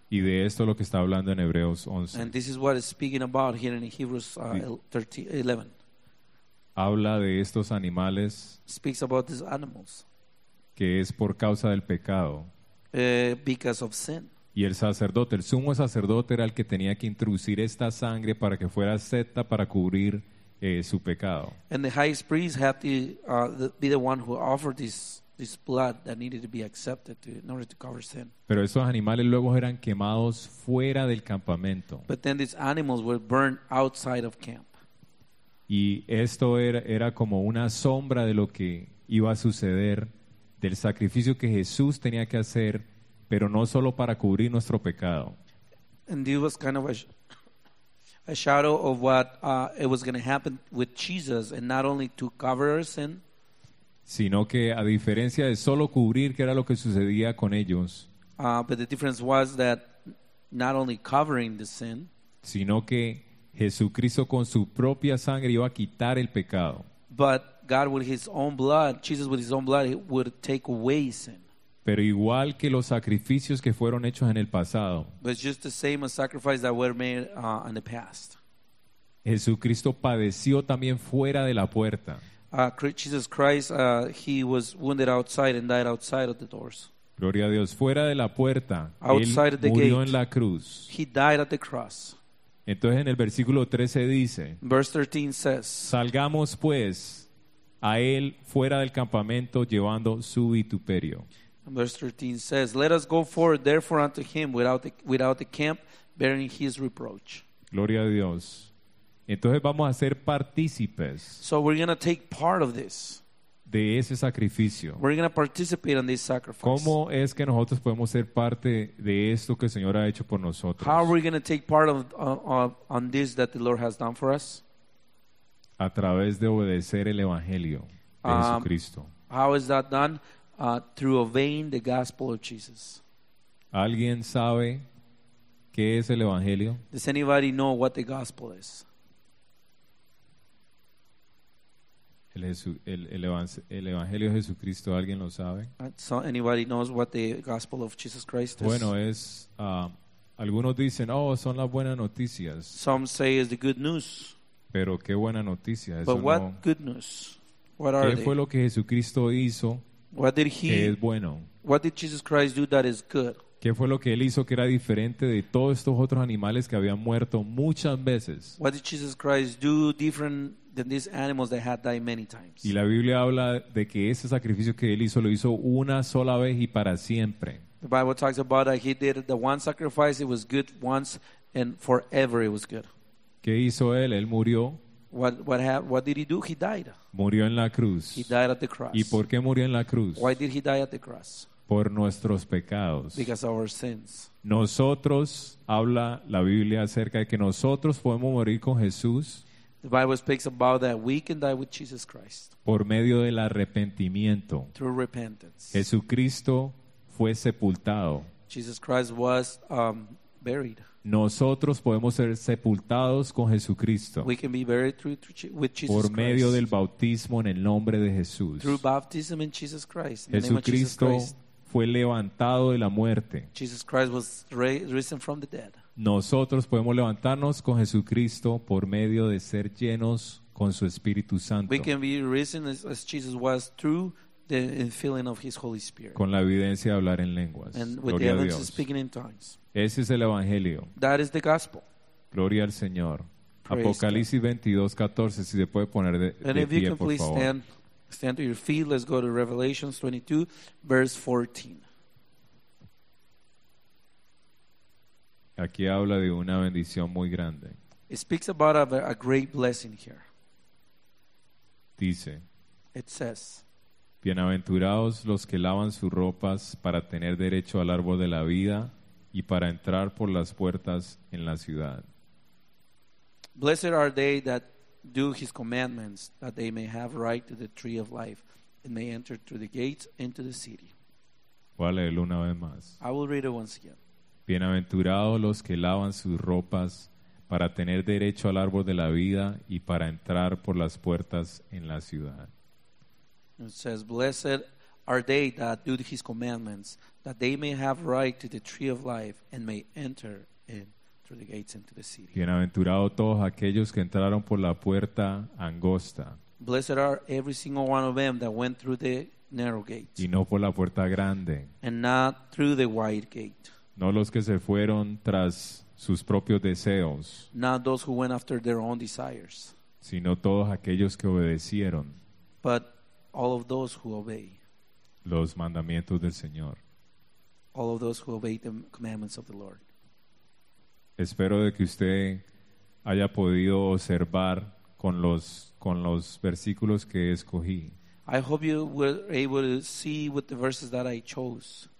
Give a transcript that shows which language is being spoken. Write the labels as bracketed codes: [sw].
[es] Y de esto es lo que está hablando en Hebreos 11. [en] And this is what it's speaking about here in Hebrews 11. [es] Habla de estos animales. [en] Speaks about these animals. [es] Que es por causa del pecado. [en] Because of sin. [es] Y el sacerdote, el sumo sacerdote, era el que tenía que introducir esta sangre para que fuera acepta para cubrir su pecado. [en] And the highest priest had to be the one who offered this blood that needed to be accepted in order to cover sin. [es] Pero esos animales luego eran quemados fuera del campamento. [en] But then these animals were burned outside of camp. [es] Y esto era como una sombra de lo que iba a suceder, del sacrificio que Jesús tenía que hacer, pero no solo para cubrir nuestro pecado. [en] And this was kind of a shadow of what it was going to happen with Jesus, and not only to cover our sin, [es] sino que a diferencia de solo cubrir, que era lo que sucedía con ellos, [en] but the difference was that not only covering the sin, [es] sino que Jesucristo con su propia sangre iba a quitar el pecado. [en] But God with his own blood, Jesus with his own blood, he would take away sin. [es] Pero igual que los sacrificios que fueron hechos en el pasado. [en] But just the same as sacrifices that were made in the past. [es] Jesucristo padeció también fuera de la puerta. [en] Jesus Christ, he was wounded outside and died outside of the doors. [es] Gloria a Dios, fuera de la puerta. [en] Outside [es] él murió [en] the gate, [es] en la cruz. [en] He died at the cross. [es] Entonces en el versículo 13 dice, [en] verse 13 says, [es] salgamos pues a él fuera del campamento llevando su vituperio. [en] Verse 13 says, let us go forward therefore unto him without the camp bearing his reproach. [es] Gloria a Dios. Entonces vamos a ser partícipes. [en] So we're going to take part of this. [es] De ese sacrificio. [en] We're going to participate in this sacrifice. [es] ¿Cómo es que nosotros podemos ser parte de esto que el Señor ha hecho por nosotros? [en] How are we going to take part on this that the Lord has done for us? [es] A través de obedecer el evangelio de Jesucristo. [en] How is that done? Through obeying the gospel of Jesus. [es] ¿Alguien sabe qué es el evangelio? [en] Does anybody know what the gospel is? [es] El evangelio de Jesucristo, ¿alguien lo sabe? [en] So anybody knows what the gospel of Jesus Christ is? [es] Bueno, es algunos dicen, "Oh, son las buenas noticias." [en] Some say it's the good news. [es] Pero qué buena noticia, eso. [en] But what [es] no, [en] good news? What are [es] ¿qué [en] they? [es] Fue lo que Jesucristo hizo? [en] What did he, [es] que es bueno. [en] What did Jesus Christ do that is good? [es] ¿Qué fue lo que él hizo que era diferente de todos estos otros animales que habían muerto muchas veces? [en] What did Jesus Christ do different than these animals that had died many times? [es] Y la Biblia habla de que ese sacrificio que él hizo lo hizo una sola vez y para siempre. [en] The Bible talks about that he did the one sacrifice, it was good once and forever it was good. [es] ¿Qué hizo él? Él murió. [en] What did he do? He died. [es] Murió en la cruz. [en] He died at the cross. [es] ¿Y por qué murió en la cruz? [en] Why did he die at the cross? [es] Por nuestros pecados. [en] Because of our sins. [es] Nosotros, habla la Biblia acerca de que nosotros podemos morir con Jesús. [en] The Bible speaks about that we can die with Jesus Christ. [es] Por medio del arrepentimiento. [en] Through repentance. [es] Jesucristo fue sepultado. [en] Jesus Christ was buried. [es] Nosotros podemos ser sepultados con Jesucristo. [en] We can be buried with Jesus [es] por medio [en] Christ. [es] Del bautismo en el nombre de Jesús. [en] Through baptism in Jesus Christ. [es] Jesucristo [en] name of Jesus Christ. [es] Fue levantado de la muerte. [en] Jesus Christ was risen from the dead. [es] Nosotros podemos levantarnos con Jesucristo por medio de ser llenos con su Espíritu Santo. [en] We can be risen as Jesus was through the infilling of his Holy Spirit. [es] Con la evidencia de hablar en lenguas. [en] And with [es] gloria [en] the evidence of speaking in tongues. [es] Ese es el evangelio. [en] That is the gospel. [es] Gloria al Señor. [en] Praise [es] Apocalipsis 22:14, si se puede poner de pie, por favor. [en] And if you can please stand to your feet, let's go to Revelation 22, verse 14. [es] Aquí habla de una bendición muy grande. [en] It speaks about a great blessing here. [es] Dice. [en] It says. [es] Bienaventurados los que lavan sus ropas para tener derecho al árbol de la vida y para entrar por las puertas en la ciudad. [en] Blessed are they that do his commandments, that they may have right to the tree of life and may enter through the gates into the city. [es] Voy a leerlo una vez más. [en] I will read it once again. [es] Bienaventurados los que lavan sus ropas para tener derecho al árbol de la vida y para entrar por las puertas en la ciudad. [en] It says, blessed are they that do his commandments, that they may have right to the tree of life and may enter in through the gates into the city. [es] Bienaventurados todos aquellos que entraron por la puerta angosta. [en] Blessed are every single one of them that went through the narrow gate. [es] Y no por la puerta grande. [en] And not through the wide gate. [es] No los que se fueron tras sus propios deseos. [en] Not those who went after their own desires. [es] Sino todos aquellos que obedecieron. [en] But all of those who obey. [es] Los mandamientos del Señor. [en] All of those who obey the commandments of the Lord. [es] Espero de que usted haya podido observar con los versículos que escogí. [en] I hope you were able to see with the verses that I chose.